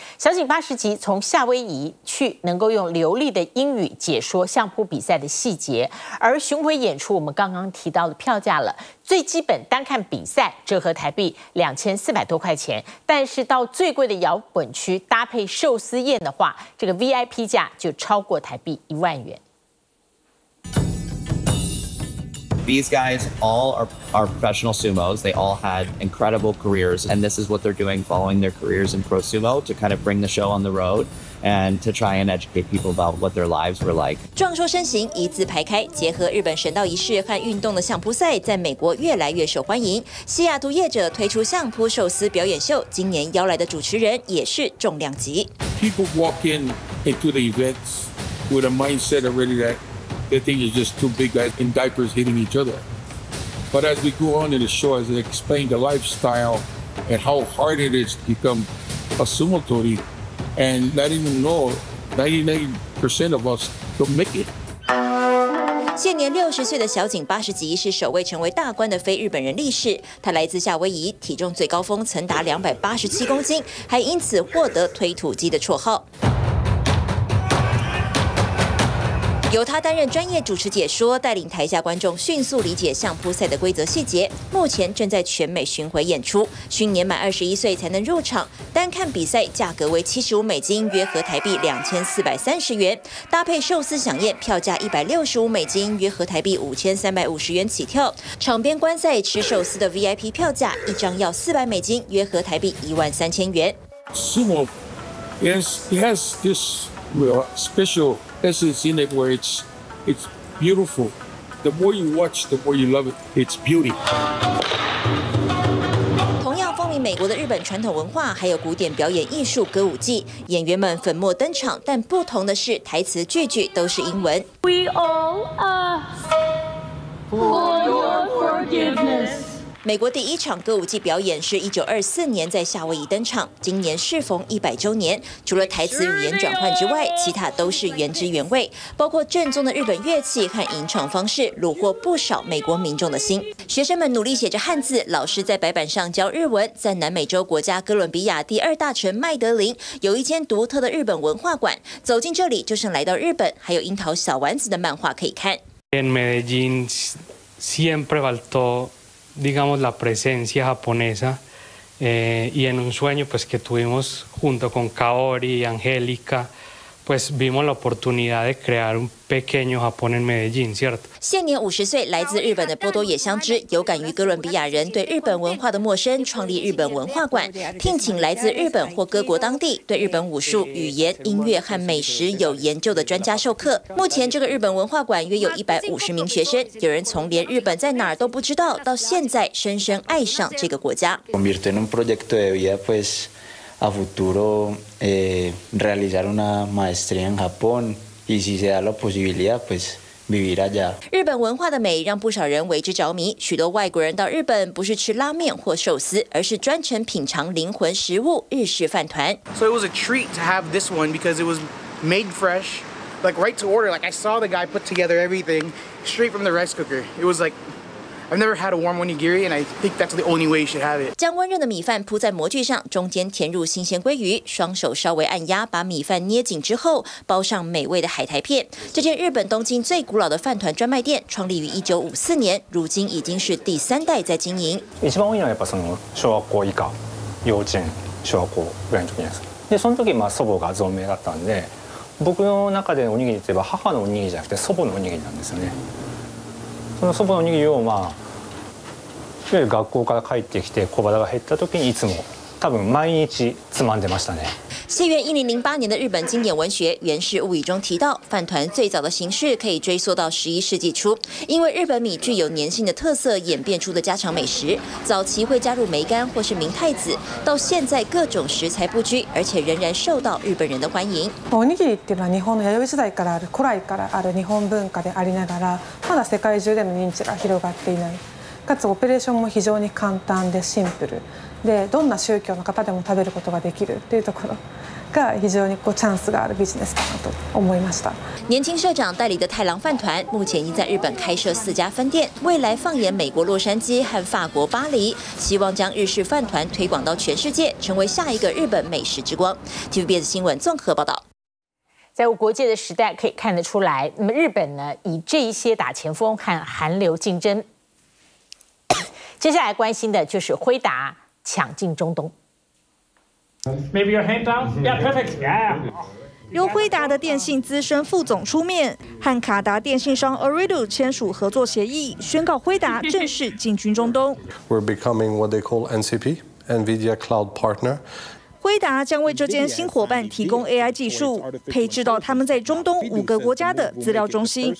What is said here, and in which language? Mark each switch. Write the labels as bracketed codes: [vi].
[zh] 小井八十吉从夏威夷去，能够用流利的英语解说相扑比赛的细节。而巡回演出我们刚刚提到的票价了，最基本单看比赛折合台币2400多块钱，但是到最贵的摇滚区搭配寿司宴的话，这个 VIP 价就超过台币10000元。 [en] These guys all are professional sumos. They all had incredible careers, and this is what they're doing, following their careers in pro sumo to kind of bring the show on the road and to try and educate people about what their lives were like. [zh] 壮硕身形一字排开，结合日本神道仪式和运动的相扑赛，在美国越来越受欢迎。西雅图业者推出相扑寿司表演秀，今年邀来的主持人也是重量级。 [en] People walk into the events with a mindset already that. The thing is just two big guys in diapers hitting each other. But as we go on in the show, as I explain the lifestyle and how hard it is to become a sumo tori, and not even know 99% of us don't make it. [zh] 现年60岁的小井八十吉是首位成为大官的非日本人力士。他来自夏威夷，体重最高峰曾达287公斤，还因此获得推土机的绰号。由他担任专业主持解说，带领台下观众迅速理解相扑赛的规则细节。目前正在全美巡回演出，需年满21岁才能入场。单看比赛价格为75美金，约合台币2430元，搭配寿司飨宴，票价165美金，约合台币5350元起跳。场边观赛吃寿司的 VIP 票价，一张要400美金，约合台币13000元。 [en] Sumo, yes, yes, this will special. Essence in it where it's beautiful. The more you watch, the more you love it. It's beauty. [zh] 美国的日本传统文化，还有古典表演艺术歌舞伎，演员们粉墨登场，但不同的是台词句句都是英文。 [en] We all ask for your forgiveness. [zh] 美国第一场歌舞伎表演是1924年在夏威夷登场，今年适逢100周年。除了台词语言转换之外，其他都是原汁原味，包括正宗的日本乐器和吟唱方式，虏获不少美国民众的心。学生们努力写着汉字，老师在白板上教日文。在南美洲国家哥伦比亚第二大城麦德林，有一间独特的日本文化馆，走进这里就像来到日本，还有樱桃小丸子的漫画可以看。 [es] En Medellín siempre faltó. Digamos la presencia japonesa, y en un sueño pues, que tuvimos junto con Kaori y Angélica, pues vimos la oportunidad de crear un pequeño Japón en Medellín, ¿cierto? [zh] 现年50岁，来自日本的波多野香织，有感于哥伦比亚人对日本文化的陌生，创立日本文化馆，聘请来自日本或各国当地对日本武术、语言、音乐和美食有研究的专家授课。目前这个日本文化馆约有150名学生，有人从连日本在哪儿都不知道，到现在深深爱上这个国家。 [es] Convierte en un proyecto de vida, pues, a futuro, realizar una maestría en Japón y si se da la posibilidad, pues. [zh] 日本文化的美让不少人为之着迷，许多外国人到日本不是吃拉面或寿司，而是专程品尝灵魂食物日式饭团。 [en] So it was a treat to have this one because it was made fresh, like right to order. Like I saw the guy put together everything straight from the rice cooker. It was like. I've never had a warm onigiri, and I think that's the only way you should have it. [zh] 将温热的米饭铺在模具上，中间填入新鲜鲑鱼，双手稍微按压，把米饭捏紧之后，包上美味的海苔片。这间日本东京最古老的饭团专卖店，创立于1954年，如今已经是第三代在经营。 [ja] 一番多いのはやっぱその小学校以下、幼稚園、小学校ぐらいの時です。で、その時まあ祖母が存命だったんで、僕の中でのおにぎりといえば母のおにぎりじゃなくて祖母のおにぎりなんですよね。その祖母の匂いをまあ、いわゆる学校から帰ってきて小腹が減った時にいつも多分毎日つまんでましたね。 [zh] 四月1008年的日本经典文学《源氏物语》中提到，饭团最早的形式可以追溯到11世纪初，因为日本米具有粘性的特色，演变出的家常美食。早期会加入梅干或是明太子，到现在各种食材不拘，而且仍然受到日本人的欢迎。 [ja] おにぎりっていうのは日本の弥生時代からある古来からある日本文化でありながら、まだ世界中での認知が広がっていない。かつオペレーションも非常に簡単でシンプル。でどんな宗教の方でも食べることができるというところが非常にこうチャンスがあるビジネスかなと思いました。 [zh] 年轻社长代理的太郎饭团目前已在日本开设4家分店，未来放眼美国洛杉矶和法国巴黎，希望将日式饭团推广到全世界，成为下一个日本美食之光。 TVBS 新闻综合报道。在无国界的时代可以看得出来，那么日本呢，以这些打前锋和韩流竞争。接下来关心的就是辉达。抢进中东。 [en] Maybe your hand down? Yeah, perfect. Yeah. [zh] 由辉达的电信资深副总出面，和卡达电信商 Ooredoo 签署合作协议，宣告辉达正式进军中东。 [en] We're becoming what they call NCP, NVIDIA Cloud Partner. [zh] 辉达将为这间新伙伴提供 AI 技术，配置到他们在中东5个国家的资料中心。